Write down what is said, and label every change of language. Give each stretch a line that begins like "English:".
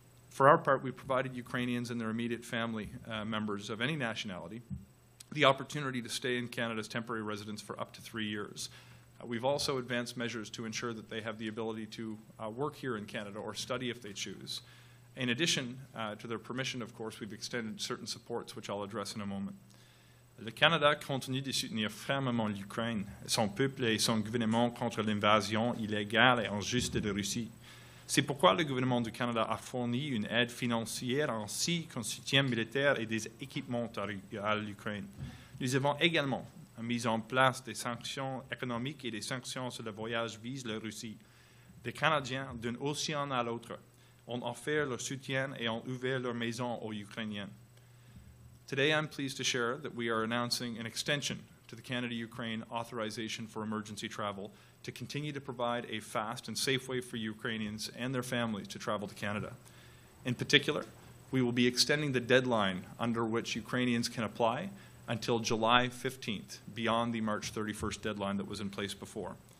English: For our part, we provided Ukrainians and their immediate family members of any nationality the opportunity to stay in Canada's temporary residence for up to 3 years. We've also advanced measures to ensure that they have the ability to work here in Canada or study if they choose. In addition to their permission, of course, we've extended certain supports, which I'll address in a moment.
French: Le Canada continue de soutenir fermement l'Ukraine, son peuple et son gouvernement contre l'invasion illégale et injuste de Russie. C'est pourquoi le gouvernement du Canada a fourni une aide financière ainsi qu'un soutien militaire et des équipements à l'Ukraine. Nous avons également mis en place des sanctions économiques et des sanctions sur le voyage vis la Russie. Des Canadiens d'un océan à l'autre ont offert leur soutien et ont ouvert leur maison aux Ukrainiens.
English: Today, I'm pleased to share that we are announcing an extension to the Canada-Ukraine authorization for emergency travel to continue to provide a fast and safe way for Ukrainians and their families to travel to Canada. In particular, we will be extending the deadline under which Ukrainians can apply until July 15th, beyond the March 31st deadline that was in place before.